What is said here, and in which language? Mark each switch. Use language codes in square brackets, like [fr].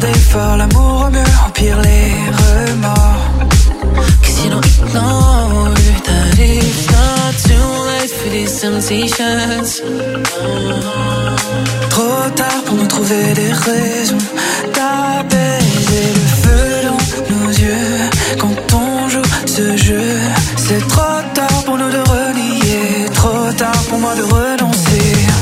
[fr] Fort l'amour au mieux, au pire les remords. [en] Cause you don't know that it's not too late for these temptations. [fr] Trop tard pour nous trouver des raisons d'apaiser le feu dans nos yeux. Quand on joue ce jeu, c'est trop tard pour nous de renier. Trop tard pour moi de renoncer.